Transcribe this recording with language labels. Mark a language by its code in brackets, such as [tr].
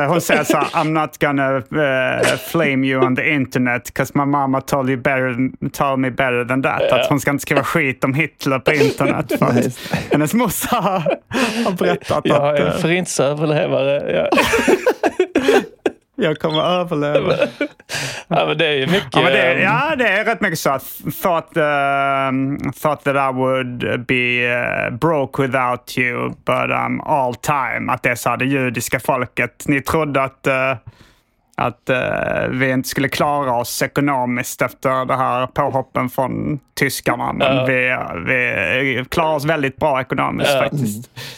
[sv] att hon säger så här, [en] I'm not gonna flame you on the internet because my mama told me better than that. [sv] Yeah. Att hon ska inte skriva skit om Hitler på internet. För att hennes morsa har berättat jag att... Jag är en förintelseöverlevare. Jag kommer att överleva. Ja, men det är ju mycket... Det är rätt mycket så. [en] Thought that I would be broke without you, but I'm all time. [sv] Att det är så här, det judiska folket. Ni trodde att vi inte skulle klara oss ekonomiskt efter det här påhoppen från tyskarna. Men vi klarar oss väldigt bra ekonomiskt faktiskt.